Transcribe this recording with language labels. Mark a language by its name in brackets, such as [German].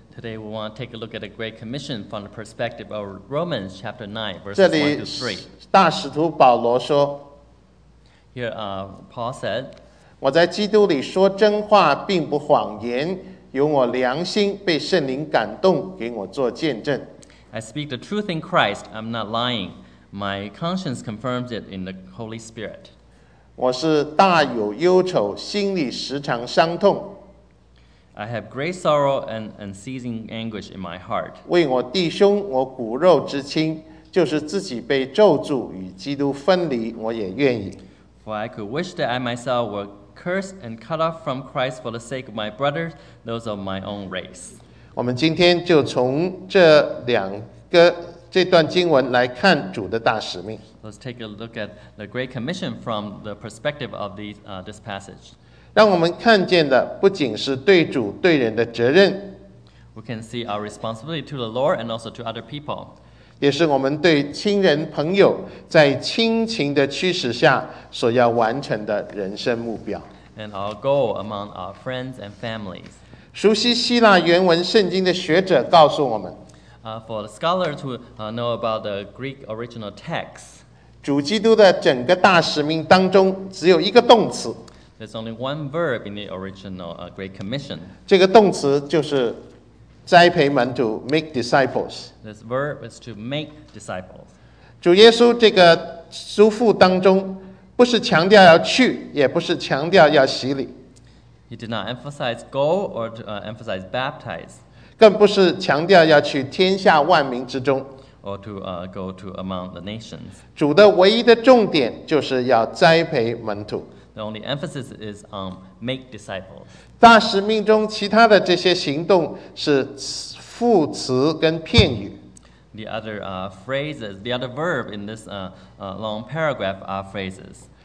[English] Today we want to take a look at the Great Commission from the perspective of Romans chapter 9, verses 1-3. [Chinese] 大使徒保罗说 [English] Here Paul said, [Chinese] 我在基督里说真话，并不谎言，有我良心被圣灵感动，给我做见证。 [English] I speak the truth in Christ. I'm not lying. My conscience confirms it in the Holy Spirit. [Chinese] 我是大有忧愁，心里时常伤痛。 [English] I have great sorrow and unceasing anguish in my heart. [Chinese] 为我弟兄，我骨肉之亲，就是自己被咒诅与基督分离，我也愿意。 [English] For I could wish that I myself were cursed and cut off from Christ for the sake of my brothers, those of my own race. [Chinese] 我们今天就从这两个这段经文来看主的大使命。 [English] Let's take a look at the Great Commission from the perspective of this passage. [Chinese] 让我们看见的不仅是对主对人的责任， [English] We can see our responsibility to the Lord and also to other people. [Chinese] 也是我们对亲人朋友在亲情的驱使下所要完成的人生目标。 [English] And our goal among our friends and families. [Chinese] 熟悉希腊原文圣经的学者告诉我们， [English] For the scholars who know about the Greek original text, [Chinese] 主基督的整个大使命当中只有一个动词。 [English] There's only one verb in the original Great Commission. [Chinese] 这个动词就是栽培门徒 [English] make disciples. This verb is to make disciples. [Chinese] 主耶稣这个嘱咐当中，不是强调要去，也不是强调要洗礼。 [English] He did not emphasize go or to emphasize baptize. [Chinese] 更不是强调要去天下万民之中。 [English] Or to go to among the nations. [Chinese] 主的唯一的重点就是要栽培门徒。 [English] The only emphasis is on make disciples. [Chinese] 大使命中其他的这些行动是副词跟片语。 [English] The other phrases, the other verb in this long paragraph are phrases.